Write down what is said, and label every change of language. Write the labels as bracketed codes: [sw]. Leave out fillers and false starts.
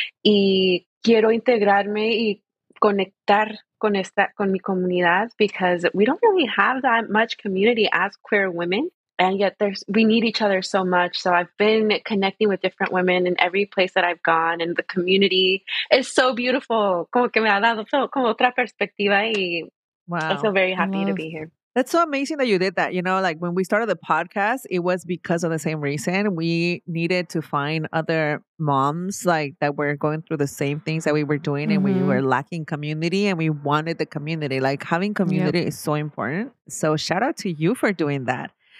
[es] Y quiero integrarme y conectar con esta, con mi comunidad, [en] because we don't really have that much community as queer women, and yet we need each other so much. So I've been connecting with different women in every place that I've gone, and the community is so beautiful. [es] Como que me ha dado como otra perspectiva, y [en] wow. I feel very happy to be here. That's so amazing that you did that. You know, like when we started the podcast, it was because of the same reason. We needed to find other moms like that were going through the same things that we were doing, and we were lacking community, and we wanted the community. Like having community is so important. So shout out to you for doing that.